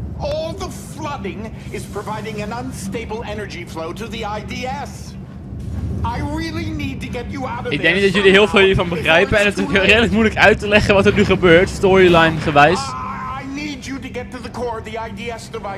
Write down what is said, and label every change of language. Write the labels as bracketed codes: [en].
[en] All the flooding is providing an unstable energy flow to the IDS. I really need to get you out of this. [nl] Ik denk niet dat jullie heel veel hiervan begrijpen en het is redelijk moeilijk uit te leggen wat er nu gebeurt, storyline gewijs. [en] I need you to get to the core of the IDS device.